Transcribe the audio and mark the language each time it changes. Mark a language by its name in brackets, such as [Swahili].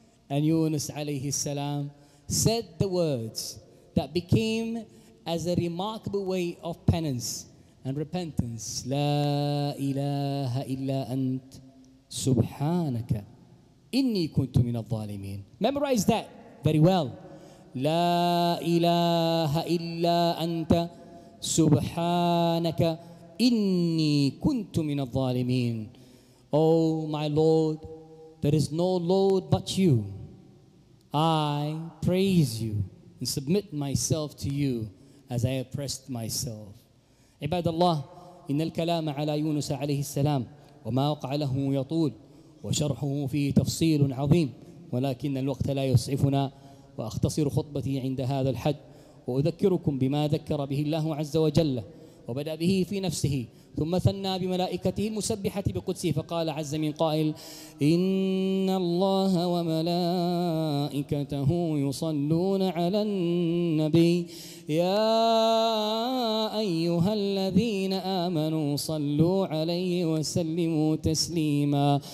[English] And Yunus alayhi salam said the words that became as a remarkable way of penance and repentance: [Arabic] La ilaha illa ant subhanaka inni kuntu min al-zalimin. [English] Memorize that very well. [Arabic] لا إله إلا أنت سبحانك إني كنت من الظالمين. [English] Oh my Lord, there is no Lord but you. I praise you and submit myself to you as I oppressed myself. [Arabic] عباد الله، إن الكلام على يونس عليه السلام وما وقع له يطول وشرحه فيه تفصيل عظيم، ولكن الوقت لا يسعفنا، وأختصر خطبتي عند هذا الحد، وأذكركم بما ذكر به الله عز وجل وبدأ به في نفسه، ثم ثنى بملائكته المسبحة بقدسه، فقال عز من قائل: إن الله وملائكته يصلون على النبي، يا أيها الذين آمنوا صلوا عليه وسلموا تسليما.